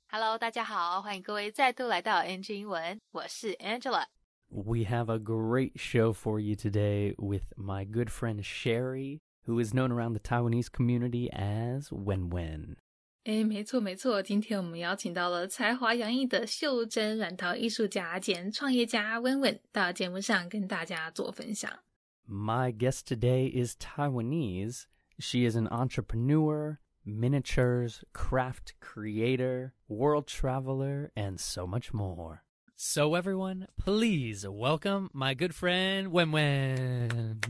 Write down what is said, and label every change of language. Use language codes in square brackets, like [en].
[zh] Hello, 大家好，欢迎各位再度来到 NG 英文，我是 Angela. [en] We have a great show for you today with my good friend Sherry, who is known around the Taiwanese community as Wen Wen. [zh] 诶，没错没错，今天我们邀请到了才华洋溢的袖珍软陶艺术家兼创业家 Wen Wen 到节目上跟大家做分享。 [en] My guest today is Taiwanese. She is an entrepreneur, miniatures, craft creator, world traveler, and so much more. So everyone, please welcome my good friend Wen Wen.